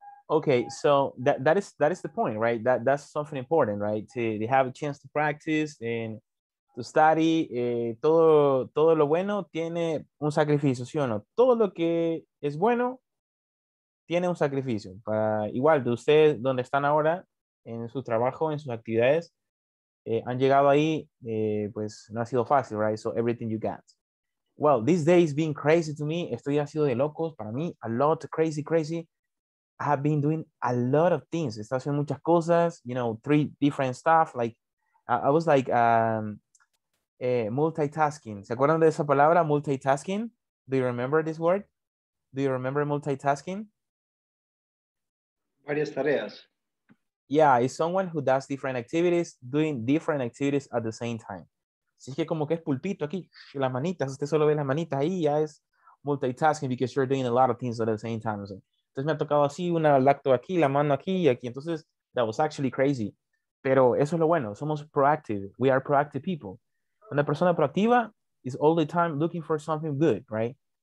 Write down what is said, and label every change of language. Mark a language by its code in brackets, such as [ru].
[en] Okay, so that is the point, right? That's something important, right? To have a chance to practice and to study. [es] Todo lo bueno tiene un sacrificio, ¿sí o no? Todo lo que es bueno tiene un sacrificio. Igual, de ustedes, donde están ahora, en su trabajo, en sus actividades, han llegado ahí, pues no ha sido fácil, right? [en] So everything you got. Well, this day has been crazy to me. [es] Esto ya ha sido de locos para mí. [en] A lot, crazy. I have been doing a lot of things. [es] Estaba haciendo muchas cosas, [en] you know, 3 different stuff. Like, I was like multitasking. [es] ¿Se acuerdan de esa palabra, multitasking? [en] Do you remember this word? Do you remember multitasking? [es] Varias tareas. [en] Yeah, it's someone who does different activities, doing different activities at the same time. [es] Así que como que es pulpito aquí, las manitas. Usted solo ve las manitas ahí, ya es multitasking [en] because you're doing a lot of things at the same time. [es] So, entonces me ha tocado así, una lacto aquí, la mano aquí y aquí. Entonces, [en] that was actually crazy. [es] Pero eso es lo bueno. Somos proactive. [en] We are proactive people. [es] Una persona proactiva [en] is all the time looking for something good, right?